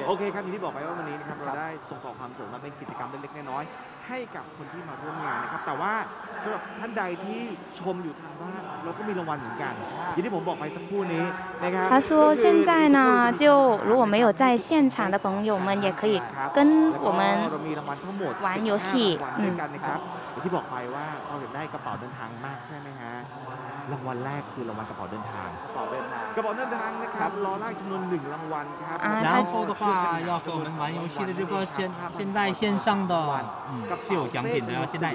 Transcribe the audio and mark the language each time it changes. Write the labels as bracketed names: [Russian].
[Thai] โอเคครับอย่างที่บอกไปว่าวันนี้นะครับเราได้ส่งต่อความสุขมาเป็นกิจกรรมเล็กๆน้อยๆให้กับคนที่มาร่วมงานนะครับแต่ว่าสำหรับท่านใดที่ชมอยู่ทางบ้านเราก็มีรางวัลเหมือนกันอย่างที่ผมบอกไปสักครู่นี้นะครับ เขาบอก [Chinese] 现在呢就如果没有在现场的朋友们也可以跟我们玩游戏 [Thai] กันนะครับที่บอกไปว่าเราเห็นได้กระเป๋าเดินทางมากใช่ไหมฮะรางวัลแรกคือรางวัลกระเป๋าเดินทาง กระเป๋าเดินทาง กระเป๋าเดินทางนะครับรอแรกจำนวนหนึ่งรางวัลครับ แล้วโค้ดก็ [Chinese] 要跟我们玩游戏的这个现在线上的是有奖品的现在